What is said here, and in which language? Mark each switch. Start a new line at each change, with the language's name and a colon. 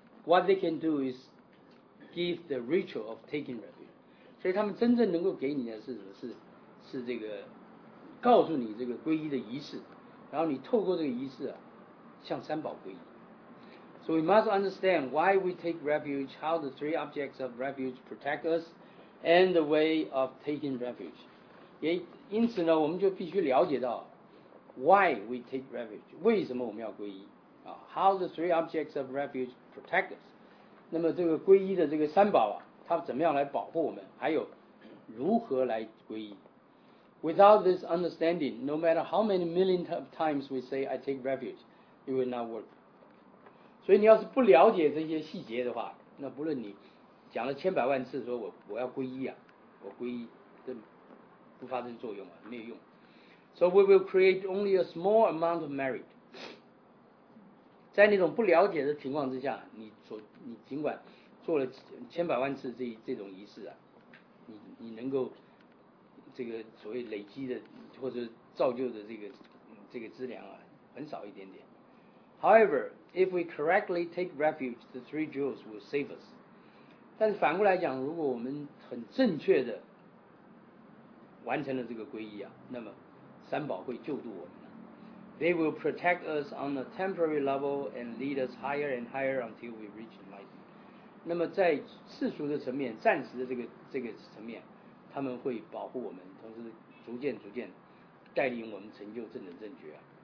English: What they can do is give the ritual of taking refuge.
Chinese: 所以他们真正能够给你的是什么？是这个告诉你这个皈依的仪式，然后你透过这个仪式啊，向三宝皈依。
English: So we must understand why we take refuge, how the three objects of refuge protect us, and the way of taking refuge.
Chinese: 也因此呢，我们就必须了解到
English: why we take refuge,
Chinese: 为什么我们要皈依啊
English: ？How the three objects of refuge protect us.
Chinese: 那么这个皈依的这个三宝啊，它怎么样来保护我们？还有如何来皈依？
English: Without this understanding, no matter how many million times we say I take refuge, it will not work.
Chinese: 所以你要是不了解这些细节的话，那不论你讲了千百万次说我要皈依啊，我皈依，这不发生作用啊，没有用。
English: So we will create only a small amount of merit.
Chinese: 在那种不了解的情况之下，你尽管做了千百万次这种仪式啊，你能够。这个所谓累积的或者造就的这个资粮啊，很少一点点。
English: However, if we correctly take refuge, the three jewels will save us.
Chinese: 但是反过来讲，如果我们很正确的完成了这个皈依啊，那么三宝会救助我们。
English: They will protect us on a temporary level and lead us higher and higher until we reach enlightenment.
Chinese: 那么在世俗的层面，暂时的这个层面。他们会保护我们，同时逐渐逐渐带领我们成就正等正觉、啊。